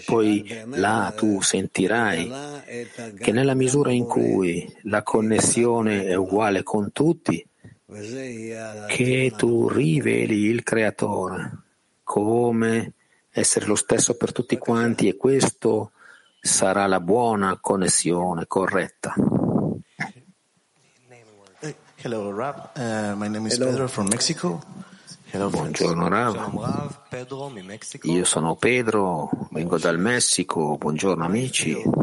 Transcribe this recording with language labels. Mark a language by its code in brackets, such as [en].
[it] Poi là tu sentirai che nella misura in cui la connessione è uguale con tutti, che tu riveli il Creatore come essere lo stesso per tutti quanti, e questo sarà la buona connessione corretta. [en] Hello Rab, my name is Pedro from Mexico. [it] Hello, buongiorno Rab. Io sono Pedro, vengo dal Messico. Buongiorno amici.